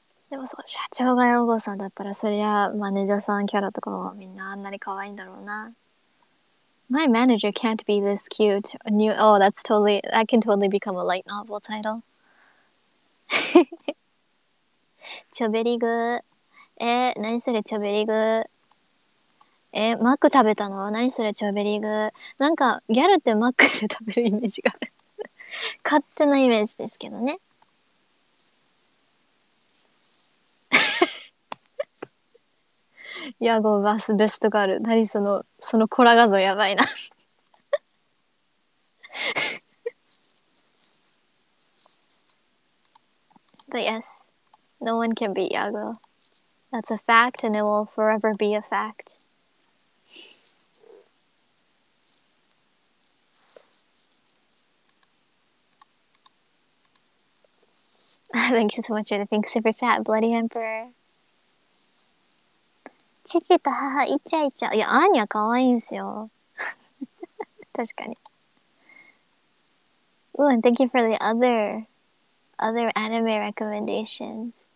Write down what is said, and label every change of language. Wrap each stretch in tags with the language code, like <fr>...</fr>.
<ja>でもそう、社長がヤゴさんだったらそりゃマネージャーさんキャラとかもみんなあんなに可愛いんだろうな。</ja> <en>My manager can't be this cute. New, oh, that's totally, that can totally become a light novel title.</en> <ja>チョベリグ、何それ、チョベリグ、マック食べたの？何それ、チョベリグ。なんかギャルってマックで食べるイメージがある。勝手なイメージですけどね。ヤゴバスベストガール、何その、そのコラ画像やばいな。</ja> <en>But yes, no one can beat Yago. That's a fact and it will forever be a fact. Thank you so much for the pink super chat, Bloody Emperor.</en> <ja>父と母イチャイチャ。いや、アーニャ可愛いんすよ。確かに。</ja> <en>Ooh, and thank you for the other anime recommendations.</en>